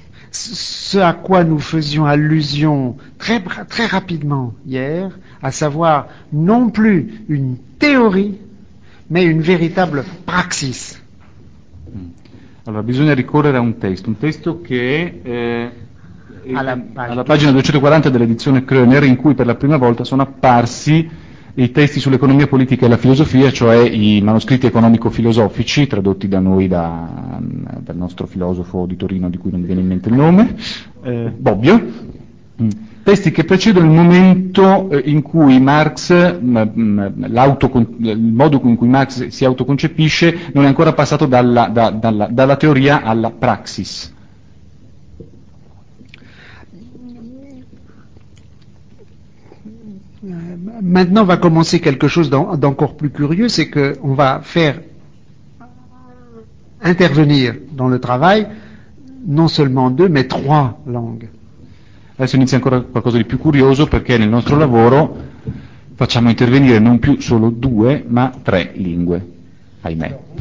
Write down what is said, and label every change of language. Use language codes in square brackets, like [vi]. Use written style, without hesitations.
[fr] ce à quoi nous faisions allusion très, très rapidement hier, à savoir non plus une théorie, mais une véritable praxis. [it] Allora, bisogna ricorrere a un testo che è alla pagina 240 dell'edizione Kroener, in cui per la prima volta sono apparsi i testi sull'economia politica e la filosofia, cioè i manoscritti economico-filosofici tradotti da noi dal nostro filosofo di Torino, di cui non mi viene in mente il nome, Bobbio. testi che precedono il momento in cui Marx, il modo in cui Marx si autoconcepisce, non è ancora passato dalla teoria alla praxis. [fr] Maintenant va commencer quelque chose d'encore plus curieux, c'est qu'on va faire intervenir dans le travail non seulement deux, mais trois langues. [it] Adesso inizia ancora qualcosa di più curioso, perché nel nostro lavoro facciamo intervenire non più solo due, ma tre lingue, ahimè.